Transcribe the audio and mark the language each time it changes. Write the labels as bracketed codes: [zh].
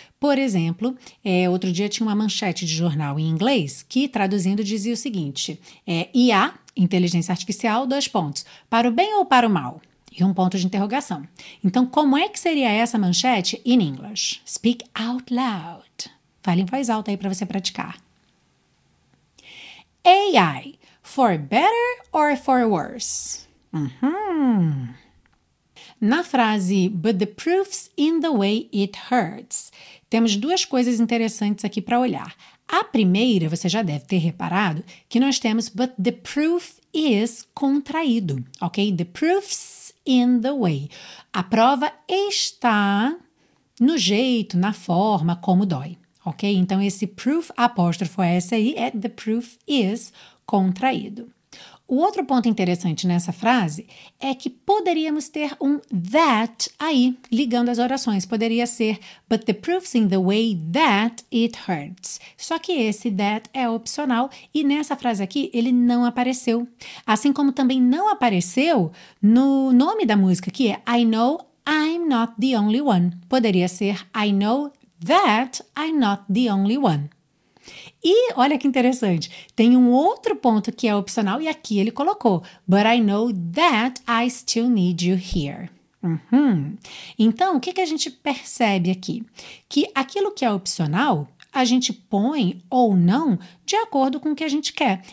[pt] Por exemplo, outro dia tinha uma manchete de jornal em inglês que, traduzindo, dizia o seguinte, IA, inteligência artificial, 2 pontos, para o bem ou para o mal? E 1 ponto de interrogação. Então, como é que seria essa manchete [en] in English? Speak out loud. [pt] Fale em voz alta aí para você praticar. [en] AI, for better or for worse? [pt] Uhum. Na frase, [en] but the proof's in the way it hurts, [pt] temos 2 coisas interessantes aqui para olhar. A primeira, você já deve ter reparado, que nós temos [en] but the proof is [pt] contraído, ok? [en] The proof's in the way. [pt] A prova está no jeito, na forma, como dói. Ok? Então, esse proof apóstrofo SI é [en] the proof is [pt] contraído. O outro ponto interessante nessa frase é que poderíamos ter um that aí, ligando as orações. Poderia ser, [en] but the proof's in the way that it hurts. [pt] Só que esse that é opcional e nessa frase aqui ele não apareceu. Assim como também não apareceu no nome da música, que é [en] I know I'm not the only one. [pt] Poderia ser [en] I know that I'm not the only one. [pt] E olha que interessante, tem um outro ponto que é opcional e aqui ele colocou, [en] but I know that I still need you here. [pt] Uhum. Então, o que a gente percebe aqui? Que aquilo que é opcional, a gente põe ou não de acordo com o que a gente quer.